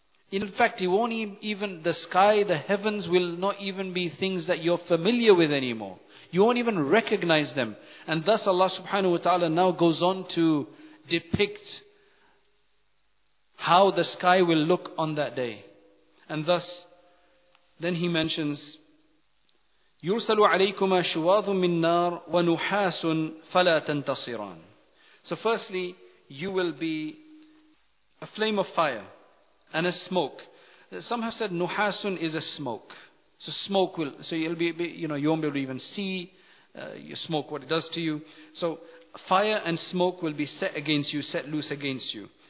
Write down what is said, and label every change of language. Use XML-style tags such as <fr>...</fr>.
<en>In fact, it won't even, the sky, the heavens will not even be things that you're familiar with anymore. You won't even recognize them. And thus Allah subhanahu wa ta'ala now goes on to depict how the sky will look on that day.</en> <ar>And thus, then he mentions, يُرْسَلُ عَلَيْكُمَا شُوَاظٌ مِّن نَارٌ وَنُحَاسٌ فَلَا تَنْتَصِرَانٌ.</ar> <en>So firstly, you will be a flame of fire and a smoke. Some have said nuhasun is a smoke. So smoke will, so you'll be, you know, you won't be able to even see your smoke, what it does to you. So fire and smoke will be set against you, set loose against you.</en>